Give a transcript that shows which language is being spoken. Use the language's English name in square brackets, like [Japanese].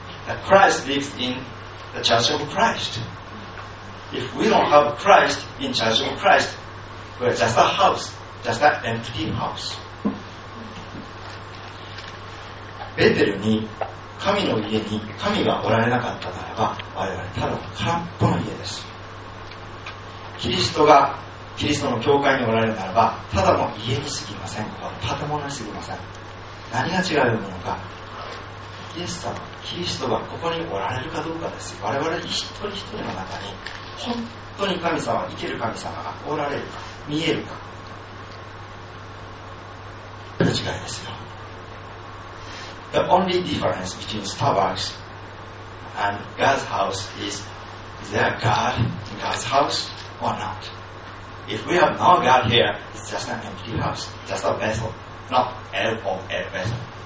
[English] That Christ lives in the church of Christ. If we don't have Christ in church of Christ, we're just a house, just an empty house. [Japanese] ベテルに神の家に神がおられなかったならば、我々ただの空っぽの家です。キリストがキリストの教会におられるならば、ただの家にすぎません。ここは建物にすぎません。何が違うものか、イエス様、キリストがここにおられるかどうかです。我々一人一人の中に本当に神様、生きる神様がおられるか、見えるか、これが違いですよ。 [English] The only difference between Starbucks and God's house is, is there God in God's house or not? If we have no God here, it's just an empty house, just a vessel, not El or El vessel.